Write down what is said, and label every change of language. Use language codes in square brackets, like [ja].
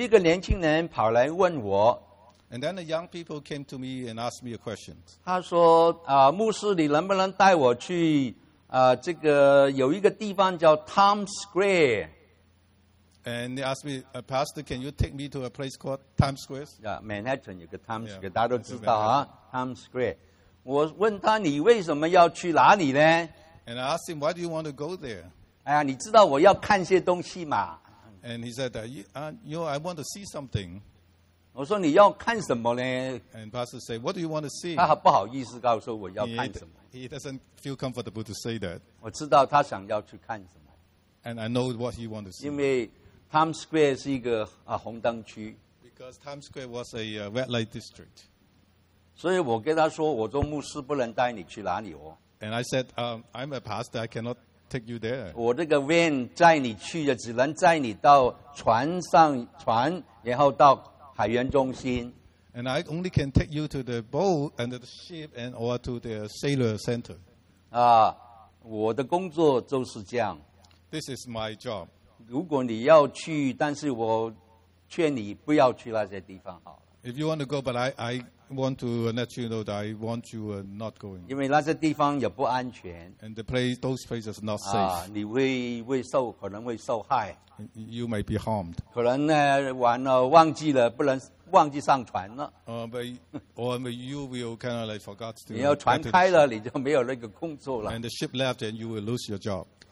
[zh] 那有一个年轻人跑来问我。 [en] And then the young people came to me and asked me a question. [zh] 他说, 牧师你能不能带我去, 这个, 有一个地方叫 Times Square? [en] And they asked me, Pastor, can you take me to a place called Times Square? [zh] Yeah, Manhattan, 有个Times Square, yeah, 大家都知道, Times Square. 我问他你为什么要去哪里呢? [en] And I asked him, why do you want to go there? [zh] 哎呀, 你知道我要看些东西吗? [en] And he said, you know, I want to see something. [zh] 我说你要看什么呢? [en] And Pastor said, what do you want to see? [zh] 他不好意思告诉我要看什么。 [en] He doesn't feel comfortable to say that. [zh] 我知道他想要去看什么。 [en] And I know what he wants to see. [zh] 因为 Times Square 是一个 红灯区。 [en] Because Times Square was a red light district. [zh] 所以我跟他说, 我做牧师不能带你去哪里哦。 [en] And I said, I'm a pastor, I cannot take you there. [zh] 我这个 van 载你去的，只能载你到船上船， 然后到海员中心。 [en] And I only can take you to the boat and the ship and or to the sailor center. [zh] 我的工作就是这样。 [en] This is my job. [zh] 如果你要去，但是我劝你不要去那些地方好了。 [en] If you want to go, but I want to let you know that I want you not going. [zh] 因为那些地方也不安全。 [en] And the place, those places are not safe. [zh] 你会受，可能会受害。 [en] You may be harmed. [zh] 可能呢，完了忘记了，不能忘记上船了。 [en] But you will kind of like forgot to. [zh] 你要船开了，你就没有那个工作了。 [en] And the ship left, and you will lose your job.